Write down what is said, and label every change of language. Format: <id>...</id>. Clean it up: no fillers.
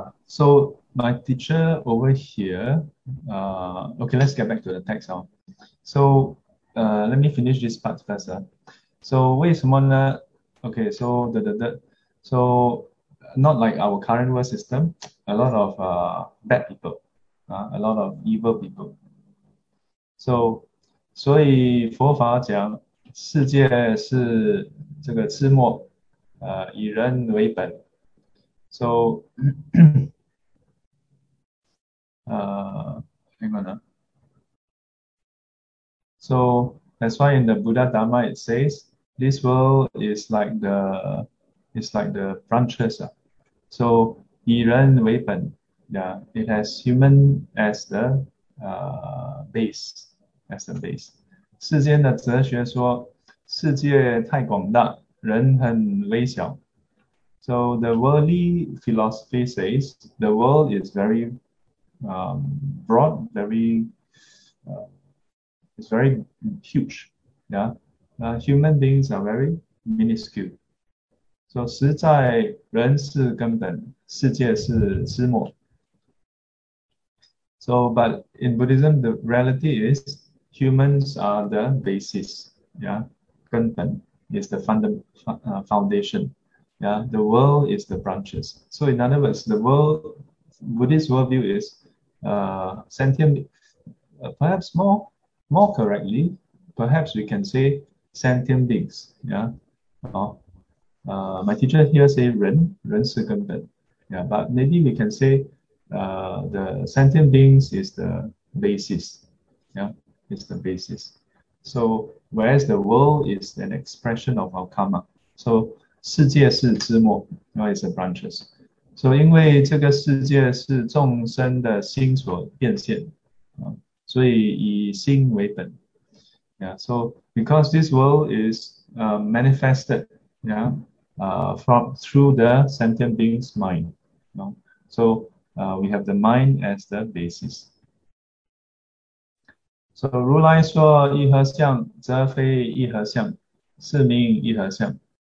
<en>So my teacher over here, okay, let's get back to the text now. So let me finish this part first. So where is Mona? Okay, so so not like our current world system, a lot of bad people, a lot of evil people.</en> <zh>So 所以佛法讲世界是这个痴末，以人为本。</zh> <en>So, hang on. So that's why in the Buddha Dharma it says this world is like the branches. So</en> <zh>以人为本,</zh> <en>yeah, it has human as the base, as the base.</en> <zh>世间的哲学说世界太广大，人很微小。</zh> <en>So the worldly philosophy says the world is very broad, it's very huge. Yeah, human beings are very minuscule.</en> <zh>So 实在人是根本，世界是痴末。</zh> <en>So, but in Buddhism, the reality is humans are the basis. Yeah, 根本 is the foundation. Yeah, the world is the branches. So in other words, the world, Buddhist worldview is sentient, perhaps more correctly, perhaps we can say sentient beings. Yeah. My teacher here say</en> <zh>ren shi gen ben.</zh> <en>Yeah, but maybe we can say the sentient beings is the basis. Yeah, it's the basis. So whereas the world is an expression of our karma.</en> <zh>So 世界是枝末，</zh> <en>is the branches。</en> <zh>所以，因为这个世界是众生的心所变现，所以以心为本。</zh> <en>Yeah, so because this world is manifested, from through the sentient being's mind. So we have the mind as the basis.</en> <zh>So 如来说，一合相则非一合相，是名一合相。</zh>